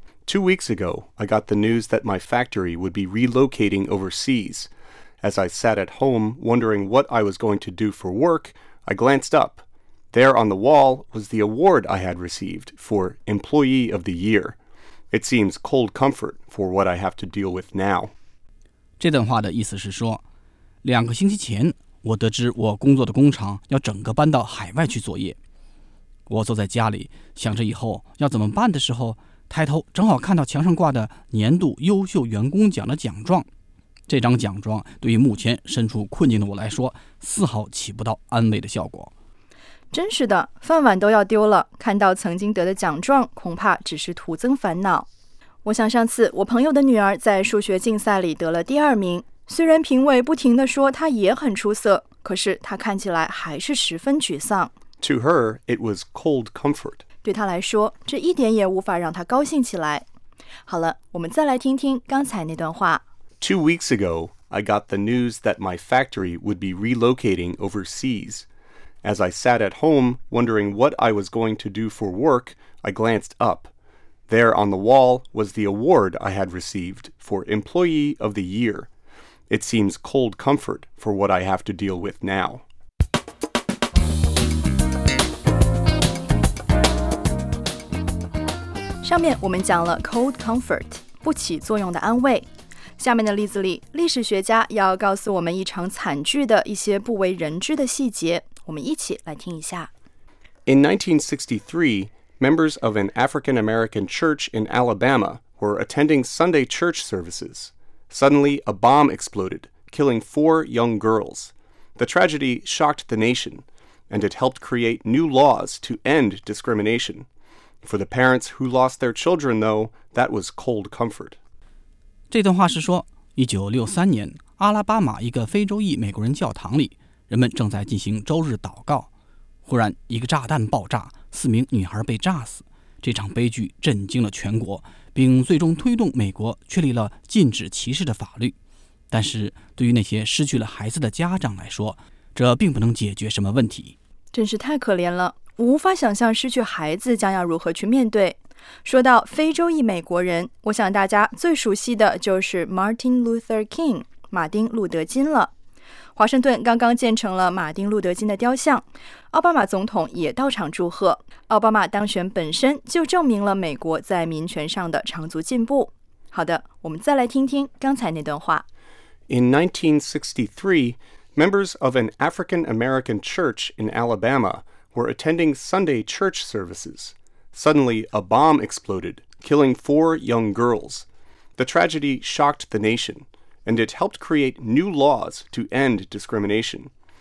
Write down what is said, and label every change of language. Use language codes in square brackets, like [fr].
[en] 2 weeks ago, I got the news that my factory would be relocating overseas. As I sat at home, wondering what I was going to do for work, I glanced up. There on the wall was the award I had received for Employee of the Year. It seems cold comfort for what I have to deal with now. [zh] 这段话的意思是说，两个星期前，我得知我工作的工厂要整个搬到海外去作业。我坐在家里，想着以后要怎么办的时候，抬头正好看到墙上挂的年度优秀员工奖的奖状。这张奖状对于目前身处困境的我来说，丝毫起不到安慰的效果。真是的，饭碗都要丢了，看到曾经得的奖状，恐怕只是徒增烦恼。我想上次我朋友的女儿在数学竞赛里得了第二名，虽然评委不停地说她也很出色，可是她看起来还是十分沮丧。 [en] To her, it was cold comfort. [zh] 对她来说，这一点也无法让她高兴起来。好了，我们再来听听刚才那段话。 [en] 2 weeks ago, I got the news that my factory would be relocating overseas. As I sat at home, wondering what I was going to do for work, I glanced up. There on the wall was the award I had received for Employee of the Year. It seems cold comfort for what I have to deal with now. [zh] 上面我们讲了 cold comfort, 不起作用的安慰。下面的例子里，历史学家要告诉我们一场惨剧的一些不为人知的细节，我们一起来听一下。 [en] In 1963, members of an African-American church in Alabama were attending Sunday church services. Suddenly, a bomb exploded, killing 4 young girls. The tragedy shocked the nation, and it helped create new laws to end discrimination. For the parents who lost their children, though, that was cold comfort. [zh] 这段话是说1963年阿拉巴马一个非洲裔美国人教堂里人们正在进行周日祷告忽然一个炸弹爆炸四名女孩被炸死这场悲剧震惊了全国并最终推动美国确立了禁止歧视的法律但是对于那些失去了孩子的家长来说这并不能解决什么问题真是太可怜了无法想象失去孩子将要如何去面对说到非洲裔美国人，我想大家最熟悉的就是 Martin Luther King 马丁·路德金了。华盛顿刚刚建成了马丁·路德金的雕像，奥巴马总统也到场祝贺。奥巴马当选本身就证明了美国在民权上的长足进步。好的，我们再来听听刚才那段话。 [en] In 1963, members of an African-American church in Alabama were attending Sunday church services. Suddenly, a bomb exploded, killing four young girls. The tragedy shocked the nation, and it helped create new laws to end discrimination.